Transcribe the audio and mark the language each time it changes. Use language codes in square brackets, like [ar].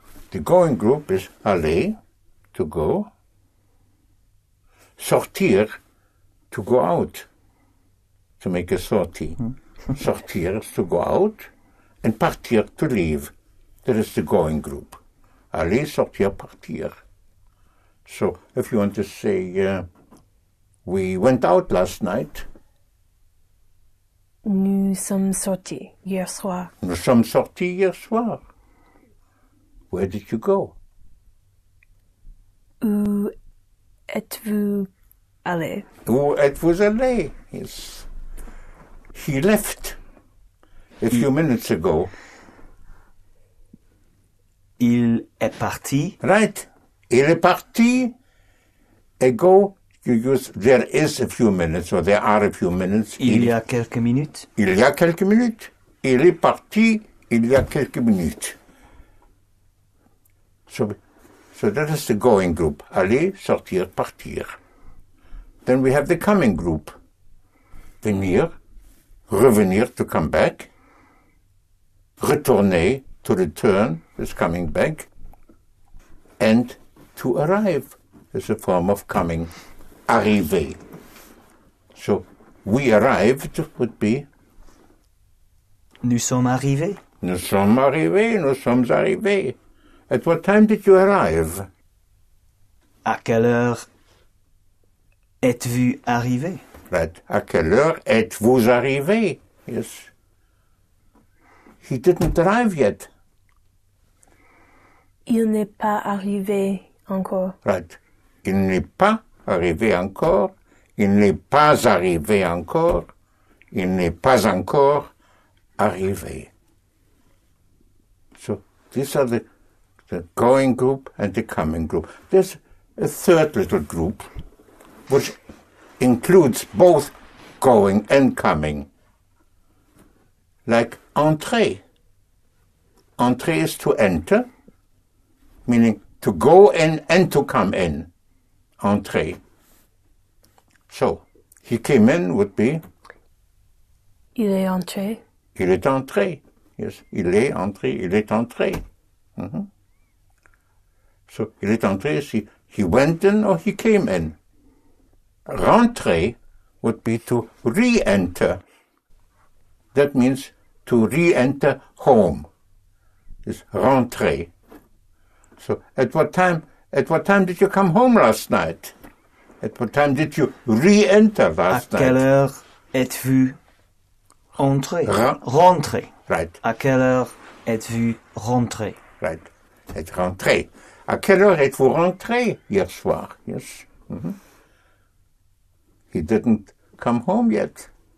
[en] The going group is aller, to go, sortir, to go out, to make a sortie. Sortir is to go out, and partir, to leave. That is the going group. Aller, sortir, partir. So if you want to say, we went out last night. [fr] Nous sommes sortis hier soir. Nous sommes sortis hier soir. [en] Where did you go? [fr] Où êtes-vous allé? Où êtes-vous allé? Yes. [en] He left a few minutes ago. [fr] Il est parti. Right. Il est parti. [en] Ago, you use there is a few minutes or there are a few minutes. [fr] Il y a quelques minutes. Il y a quelques minutes. Il est parti il y a quelques minutes. [en] So that is the going group. Aller, sortir, partir. Then we have the coming group. Venir, revenir, to come back. Retourner, to return, is coming back. And to arrive is a form of coming. Arriver. So we arrived would be... [fr] Nous sommes arrivés. Nous sommes arrivés, nous sommes arrivés. [en] At what time did you arrive? [fr] À quelle heure êtes-vous arrivé? [en] Right. [fr] À quelle heure êtes-vous arrivé? [en] Yes. He didn't arrive yet. [fr] Il n'est pas arrivé encore. [en] Right. [fr] Il n'est pas arrivé encore. Il n'est pas arrivé encore. Il n'est pas encore arrivé. [en] So, these are the going group and the coming group. There's a third little group which includes both going and coming. Like entrer. Entrer is to enter, meaning to go in and to come in. Entrer. So, he came in would be... [fr] Il est entré. Il est entré. Yes, il est entré, il est entré. Mm-hmm. [en] So, [fr] il est entré, [en] he went in or he came in. Rentrer would be to re-enter. That means to re-enter home. It's rentrer. So, at what time did you come home last night? At what time did you re-enter last night? [fr] À quelle heure êtes-vous entré? Rentré. [en] Right. [fr] À quelle heure êtes-vous rentré? Right. Et rentré. À quelle heure êtes-vous rentré hier soir? [en] Yes. Mm-hmm. He didn't come home yet.